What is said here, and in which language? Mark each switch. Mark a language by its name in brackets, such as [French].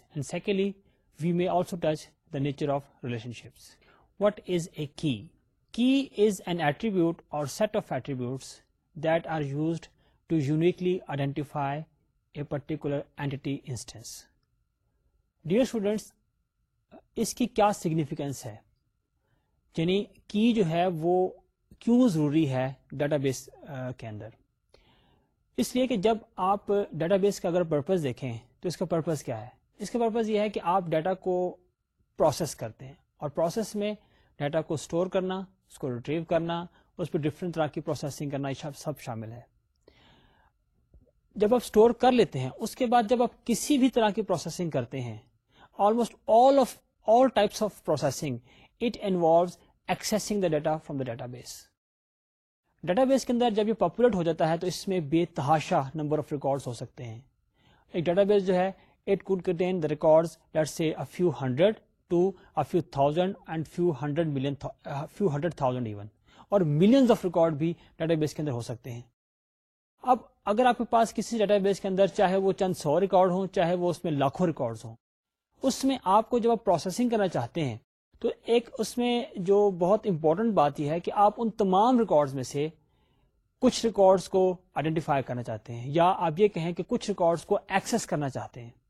[English] And secondly we may also touch the nature of relationships. What is a key? Key is an attribute or set of attributes that are used to uniquely identify a particular entity instance. [Urdu] Dear students, اس کی کیا significance ہے؟ یعنی کی جو ہے وہ کیوں ضروری ہے ڈیٹا بیس کے اندر؟ اس لیے کہ جب آپ ڈیٹا بیس کا اگر پرپز دیکھیں تو اس کا پرپز کیا ہے؟ اس کا پرپز یہ ہے کہ آپ ڈیٹا کو پروسیس کرتے ہیں، اور پروسیس میں ڈیٹا کو سٹور کرنا، اس کو ریٹریو کرنا، اس پہ ڈفرینٹ طرح کی پروسیسنگ کرنا، یہ سب شامل ہے. جب آپ سٹور کر لیتے ہیں اس کے بعد جب آپ کسی بھی طرح کی پروسیسنگ کرتے ہیں، [English] Almost all types of processing, it involves accessing the data from the database. [Urdu] Database کے اندر جب یہ populate ہو جاتا ہے تو اس میں بے تحاشا number of records ہو سکتے ہیں. ایک database جو ہے [English] it could contain the records let's say a few hundred to a few thousand and few hundred thousand even. [Urdu] اور millions of records بھی database کے اندر ہو سکتے ہیں. اب اگر آپ کے پاس کسی database کے اندر چاہے وہ چند سو ریکارڈ ہوں چاہے وہ اس میں لاکھوں ریکارڈ ہوں، اس میں آپ کو جب آپ پروسیسنگ کرنا چاہتے ہیں تو ایک اس میں جو بہت امپورٹنٹ بات یہ ہے کہ آپ ان تمام ریکارڈز میں سے کچھ ریکارڈز کو آئیڈینٹیفائی کرنا چاہتے ہیں، یا آپ یہ کہیں کہ کچھ ریکارڈز کو ایکسس کرنا چاہتے ہیں.